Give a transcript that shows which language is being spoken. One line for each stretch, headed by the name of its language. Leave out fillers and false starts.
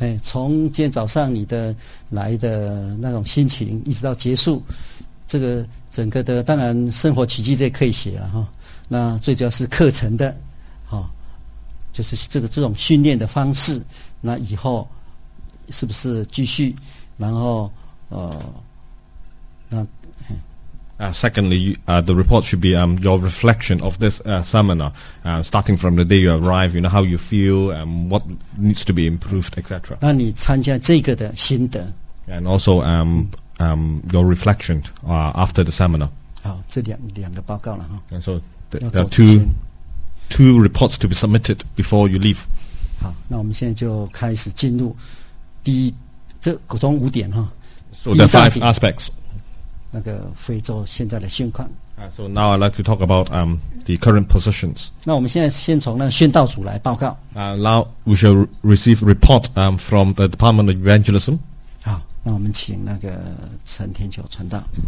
Chinese: 从今天早上你的来的那种心情一直到结束, 这个整个的, 当然生活奇迹这可以写了, 那最主要是课程的, 就是这种训练的方式, 那以后是不是继续, 然后，那
English: secondly, the report should be your reflection of this seminar, starting from the day you arrive. You know how you feel and what needs to be improved, etc.
Chinese: 那你参加这个的心得。
English: And also your reflection after the seminar.
Chinese: 好，这两个报告了哈。
English: And so there are two reports to be submitted before you leave.
Chinese: 好，那我们现在就开始进入第一。这从五点哈,
English: so there are five aspects.
Chinese: 那个非洲现在的现况。
English: So now I'd like to talk about the current positions.
Chinese: 那我们现在先从那宣道组来报告。
English: Now we shall receive report from the Department of Evangelism.
Chinese: 好，那我们请那个陈天球传道。